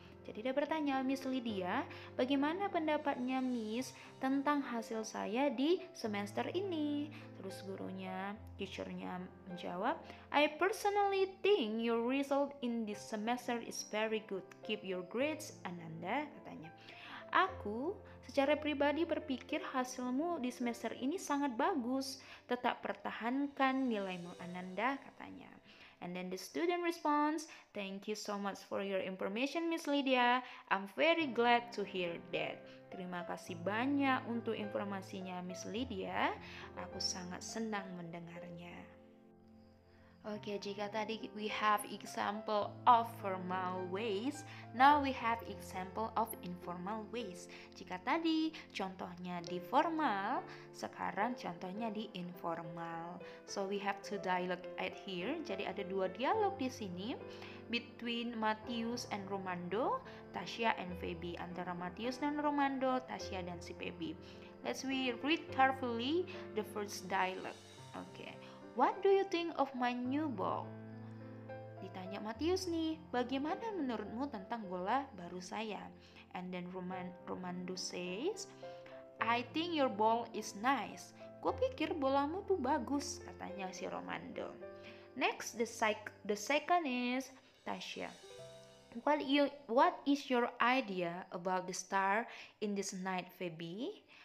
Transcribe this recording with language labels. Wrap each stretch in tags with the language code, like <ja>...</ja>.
<id>Jadi dia bertanya, Miss Lydia, bagaimana pendapatnya Miss tentang hasil saya di semester ini? Terus gurunya, teacher-nya menjawab,</id> <en>I personally think your result in this semester is very good. Keep your grades, Ananda, katanya.</en> <id>Aku secara pribadi berpikir hasilmu di semester ini sangat bagus. Tetap pertahankan nilaimu, Ananda, katanya.</id> <en>And then the student responds, thank you so much for your information, Miss Lydia. I'm very glad to hear that.</en> <id>Terima kasih banyak untuk informasinya, Miss Lydia. Aku sangat senang mendengarnya.</id> <en>Okay,</en> <id>jika tadi</id> <en>we have example of formal ways, now we have example of informal ways.</en> <id>Jika tadi contohnya di formal, sekarang contohnya di informal.</id> <en>So we have two dialogue at here.</en> <id>Jadi ada dua dialog di sini</id> <en>between Matius and Romando, Tasya and Feby.</en> <id>Antara Matius dan Romando, Tasya dan si Feby.</id> <en>Let's we read carefully the first dialogue. Okay. What do you think of my new ball?</en> <id>Ditanya Matius nih, bagaimana menurutmu tentang bola baru saya?</id> <en>And then Romando says, I think your ball is nice.</en> <id>Ku pikir bolamu tuh bagus, katanya si Romando.</id> <en>Next, the second is Tasya. What is your idea about the star in this night, Feby?</en>